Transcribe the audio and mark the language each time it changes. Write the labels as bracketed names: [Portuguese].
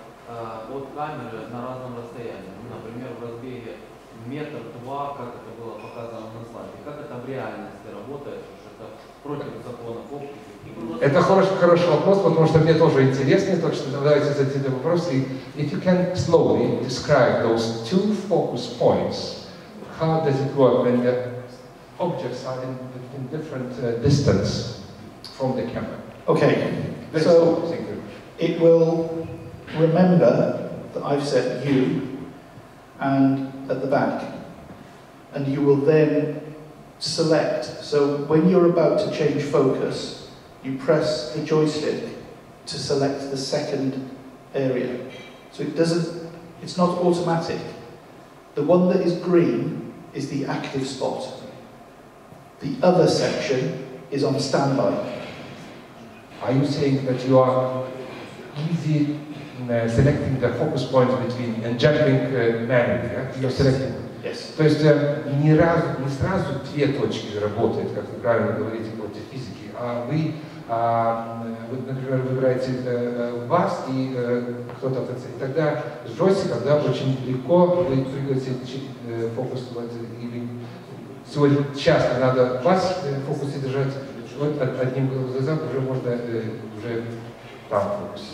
[Russian] От камеры на разном расстоянии, ну, например, в разбеге метр-два, как это было показано на слайде. Как это в реальности работает, это против закона оптики? Это хороший вопрос, потому что мне тоже интересно, так что давайте зададим вопрос. [English] If you can slowly describe those two focus points, how does it work when the objects are in different distance from the camera? Okay, so it will remember that I've set you and at the back, and you will then select. So when you're about to change focus, you press the joystick to select the second area. So it's not automatic. The one that is green is the active spot. The other section is on standby. Are you saying that you are easy selecting the focus points between and jumping manually, yeah? You're selecting. Yes. [Russian] То есть не сразу две точки работают, как вы правильно говорите против физики, а вы, например, выбираете вас и кто-то отцепит. Тогда с джойстиком, да, очень легко вы двигаете фокус, или сегодня часто надо вас в фокусе держать, вот одним глазом уже можно уже там фокус.